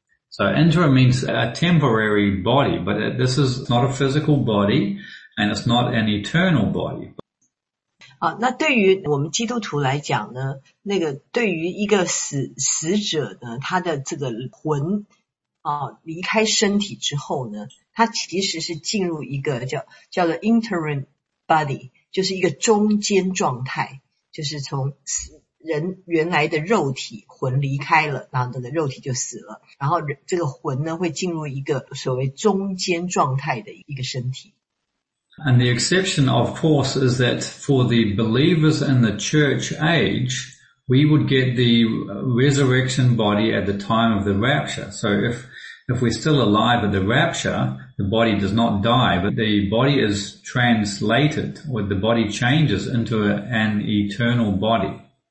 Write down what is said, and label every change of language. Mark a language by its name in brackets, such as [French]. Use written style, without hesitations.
[English] So interim means a temporary body, but this is not a physical body, and it's not an eternal body. [Chinese] 啊，那对于我们基督徒来讲呢，那个对于一个死者呢，他的这个魂啊离开身体之后呢，他其实是进入一个叫做 interim body， 就是一个中间状态，就是从人原来的肉体魂离开了，然后这个肉体就死了，然后这个魂呢会进入一个所谓中间状态的一个身体。 [English] And the exception, of course, is that for the believers in the church age, we would get the resurrection body at the time of the rapture. So if we're still alive at the rapture, the body does not die, but the body is translated, or the body changes into an eternal body.